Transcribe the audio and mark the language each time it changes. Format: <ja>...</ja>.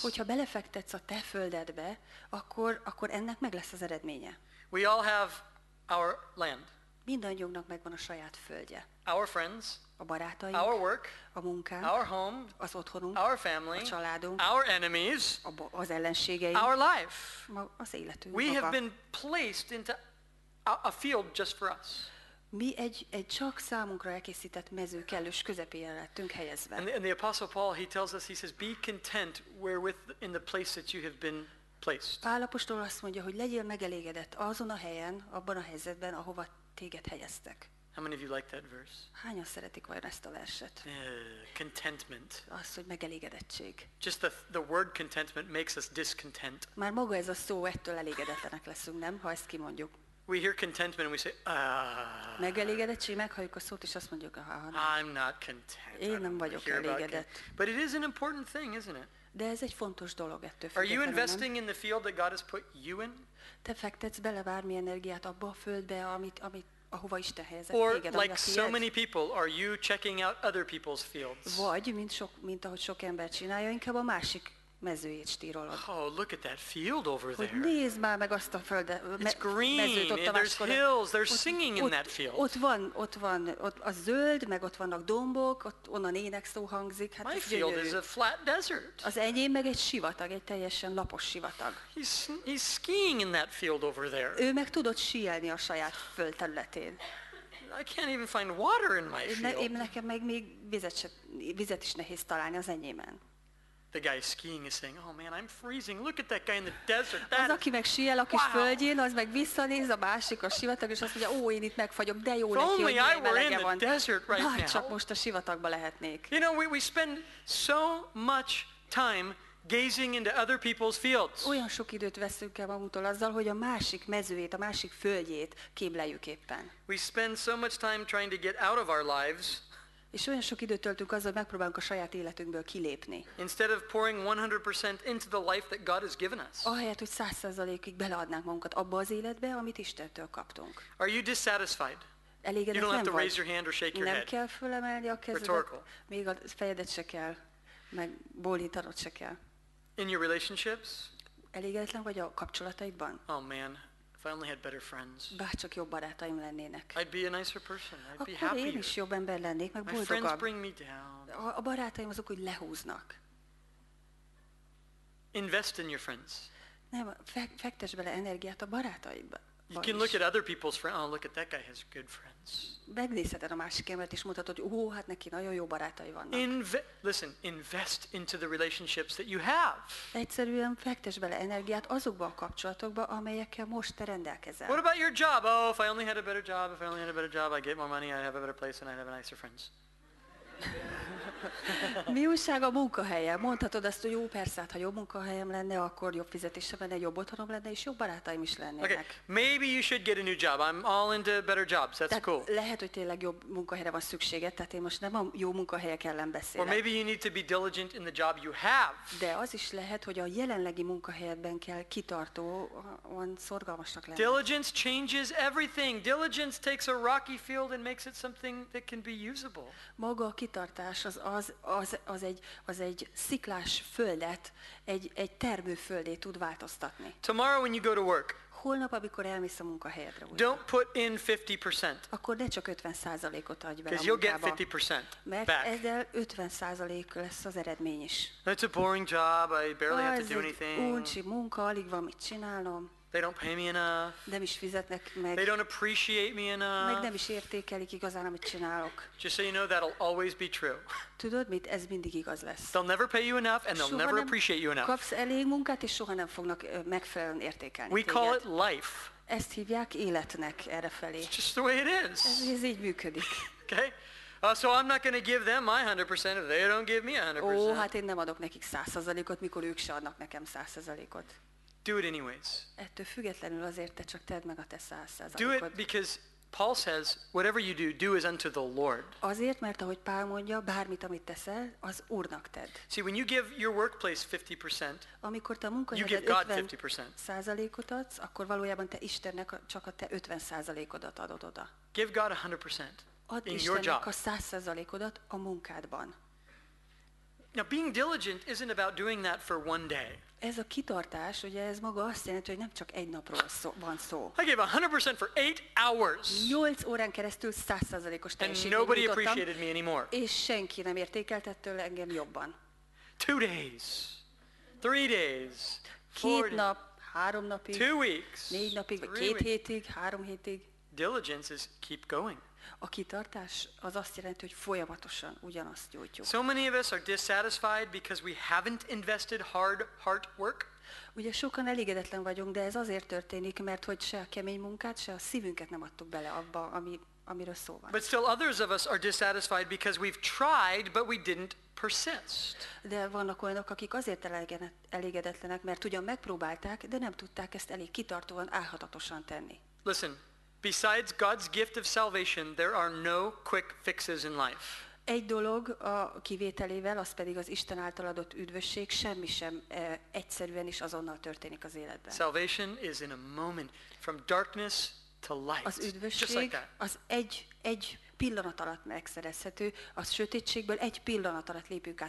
<hu>Hogyha belefektetsz a te földedbe, akkor ennek meg lesz az eredménye.</hu> <en>We all have our land.</en> <hu>Mindannyiunknak megvan a saját földje.</hu> <en>Our friends,</en> <hu>a barátaink,</hu> <en>our work,</en> <hu>a munkánk,</hu> <en>our home,</en> <hu>az otthonunk,</hu> <en>our family,</en> <hu>a családunk,</hu> <en>our enemies,</en> <hu>az ellenségeink,</hu> <en>our life,</en> <hu>az életünk.</hu> <en>We have been placed into a field just for us.</en> <hu>Mi egy csak számunkra elkészített mező kellős közepére lettünk helyezve.</hu> <en>And the Apostle Paul, he tells us, he says, be content wherewith in the place that you have been placed.</en> <hu>Pál apostol azt mondja, hogy legyél megelégedett azon a helyen, abban a helyzetben, ahova téged helyeztek.</hu> <en>How many of you like that verse?</en> <hu>Hányan szeretik vajon ezt a verset?</hu> <en>Contentment.</en> <hu>Az, hogy megelégedettség.</hu> <en>Just the word contentment makes us discontent.</en> <hu>Már maga ez a szó, ettől elégedetlenek leszünk, nem? Ha ezt kimondjuk.</hu> <en>We hear contentment and we say,</en> <hu>Megelégedettség, meghalljuk a szót, és azt mondjuk,</hu> <en>I'm not content.</en> <hu>Én nem vagyok elégedett.</hu> <en>But it is an important thing, isn't it?</en> <hu>De ez egy fontos dolog ettől függetlenül.</hu> <en>Are you investing in the field that God has put you in?</en> <hu>Te fektetsz bele bármi energiát abba a földbe, amit ahova Isten helyezett</hu> <en>or,</en> <hu>téged,</hu> <en>like so many people, are you checking out other people's fields?</en> <hu>Vagy, mint ahogy sok ember csinálja, inkább a másik mezőjét stírolod.</hu> <en>Oh, look at that field over there.</en> <hu>Hogy nézd már meg azt a földet.</hu> <en>It's green, there's hills, there's singing in that field.</en> <hu>Ott van, ott a zöld, meg ott vannak dombok, ott onnan ének szó hangzik.</hu> <en>My field is a flat desert.</en> <hu>Az enyém meg egy sivatag, egy teljesen lapos sivatag.</hu> <en>He's skiing in that field over there.</en> <hu>Ő meg tudott síelni a saját földterületén.</hu> <en>I can't even find water in my field.</en> <hu>Én nekem meg még vizet is nehéz találni az enyémen.</hu> <en>The guy skiing is saying, "Oh man, I'm freezing. Look at that guy in the desert." That</en> <hu>az, aki meg síel a kis földjén, az meg visszanéz a másik a sivatag, és azt mondja, "Ó, én itt megfagyok, de jó neki, hogy melege van."</hu> <en>Right,</en> <hu>csak most a sivatagba lehetnék.</hu> <en>You know, we spend so much time gazing into other people's fields.</en> <hu>Olyan sok időt veszünk el magunktól azzal, hogy a másik mezőjét, a másik földjét képleljük éppen.</hu> <en>We spend so much time trying to get out of our lives.</en> <hu>És olyan sok időt töltünk azzal, hogy megpróbálunk a saját életünkből kilépni.</hu> <en>Instead of pouring 100% into the life that God has given us.</en> <hu>Ahelyett, hogy 100%-ig beleadnánk magunkat abba az életbe, amit Istentől kaptunk.</hu> <en>Are you dissatisfied?</en> <hu>Elégedett</hu> <en>you don't</en> <hu>nem</hu> <en>have to raise your hand or shake your</en> <hu>nem</hu> <en>head.</en> <hu>Nem kell fölemelni a kezedet,</hu> <en>rhetorical.</en> <hu>Még a fejedet se kell, meg bólítanod se kell.</hu> <en>In your relationships?</en> <hu>Elégedetlen vagy a kapcsolataidban?</hu> <en>Oh man. If I only had better friends.</en> <hu>Bárcsak jobb barátaim lennének.</hu> <en>I'd be a nicer person. I'd</en> <hu>akkor</hu> <en>be happier.</en> <hu>Én is jobb ember lennék, meg boldogabb.</hu> <en>My friends bring me down.</en> <hu>A barátaim azok úgy lehúznak.</hu> <en>Invest in your friends.</en> <hu>Nem, fektess bele energiát a barátaidba.</hu> <en>You can look at other people's friends. Oh, look at that guy has good friends.</en> <hu>Megnézheted a másik embert és mutatod, hogy ó, hát neki nagyon jó barátai vannak.</hu> <en>Listen, invest into the relationships that you have.</en> <hu>Egyszerűen fektess bele energiát azokba a kapcsolatokba, amelyekkel most te rendelkezel.</hu> <en>What about your job? Oh, if I only had a better job, I'd get more money, I'd have a better place, and I'd have nicer friends.</en> <hu>Mi újság a munkahelyen? Mondhatod azt, hogy jó, persze, ha jobb munkahelyem lenne, akkor jobb fizetésem lenne, jobb otthonom lenne, és jobb barátaim is lennének.</hu> <en>Okay, maybe you should get a new job. I'm all into better jobs. That's</en> <hu>tehát</hu> <en>cool.</en> <hu>Lehet, hogy tényleg jobb munkahelyre van szükséged, tehát én most nem a jó munkahelyek ellen beszélek.</hu> <en>Or maybe you need to be diligent in the job you have.</en> <hu>De az is lehet, hogy a jelenlegi munkahelyedben kell kitartóan szorgalmasnak lenni.</hu> <en>Diligence changes everything. Diligence takes a rocky field and makes it something that can be usable.</en> <hu>Maga a kitartás az az egy sziklás földet, egy termőföldet tud változtatni.</hu> <en>Tomorrow when you go to work.</en> <hu>Holnap, amikor elmész a munkahelyedre.</hu> <en>Don't put in 50%.</en> <hu>Akkor ne csak 50%-ot adj be a munkába.</hu> <en>You'll get 50% back.</en> <hu>Mert ezzel 50% lesz az eredmény is.</hu> <en>That's a boring job. I barely have to do anything.</en> <hu>Az egy uncsi munka, alig van mit csinálom.</hu> <en>They don't pay me enough.</en> <hu>Nem is fizetnek meg.</hu> <en>They don't appreciate me enough.</en> <hu>Meg nem is értékelik igazán, amit csinálok.</hu> <en>Just so you know, that'll always be true.</en> <hu>Tudod mit? Ez mindig igaz lesz.</hu> <en>They'll never pay you enough, and they'll never appreciate you enough.</en> <hu>Soha nem kapsz elég munkát, és soha nem fognak megfelelően értékelni téged.</hu> <en>We call it life.</en> <hu>Ezt hívják életnek errefelé.</hu> <en>It's just the way it is.</en> <hu>Ez így működik.</hu> <en>Okay? So I'm not going to give them my 100% if they don't give me 100%.</en> <hu>Ó, hát én nem adok nekik 100%-ot, mikor ők se adnak nekem 100%-ot.</hu> <en>Do it anyways.</en> <hu>Ettől függetlenül azért te csak tedd meg a te 100%-od.</hu> <en>Do it because Paul says, whatever you do, do as unto the Lord.</en> <hu>Azért, mert ahogy Pál mondja, bármit, amit teszel, az Úrnak tedd.</hu> <en>See, when you give your workplace 50%,</en> <hu>amikor te a munkahelyed 50%-ot adsz, akkor valójában te Istennek csak a te 50%-odat adod oda.</hu> <en>Give God 100%</en> <hu>add</hu> <en>in your job.</en> <hu>Add Istennek a 100%-odat a munkádban.</hu> <en>Now, being diligent isn't about doing that for one day.</en> <hu>Ez a kitartás, ugye ez maga azt jelenti, hogy nem csak egy napról van szó.</hu> <en>I gave 100% for 8 hours.</en> <hu>8 órán keresztül 100%-os teljesítményt</hu> <en>And nobody appreciated me anymore.</en> <hu>És senki nem értékeltett tőle engem jobban.</hu> <en>2 days. 3 days. 4</en> <hu>nap, 3 napig.</hu> <en>2 weeks.</en> <hu>4 napig, vagy 2 hétig, 3 hétig.</hu> <en>Diligence is keep going.</en> <hu>A kitartás az azt jelenti, hogy folyamatosan ugyanazt gyújtjuk.</hu> <en>So many of us are dissatisfied because we haven't invested hard heart work.</en> <hu>Ugye sokan elégedetlen vagyunk, de ez azért történik, mert hogy se a kemény munkát, se a szívünket nem adtuk bele abba, amiről szó van.</hu> <en>But still others of us are dissatisfied because we've tried, but we didn't persist.</en> <hu>De vannak olyanok, akik azért elégedetlenek, mert ugyan megpróbálták, de nem tudták ezt elég kitartóan, álhatatosan tenni.</hu> <en>Listen. Besides God's gift of salvation, there are no quick fixes in life.</en> <hu>Egy dolog a kivételével, az pedig az Isten által adott üdvösség, semmi sem egyszerűen is azonnal történik az életben.</hu> <en>Salvation is in a moment, from darkness to light.</en> <hu>Az üdvösség</hu> <en>just like that.</en> <hu>Az egy pillanat alatt megszerezhető, az sötétségből egy pillanat alatt lépünk át</hu>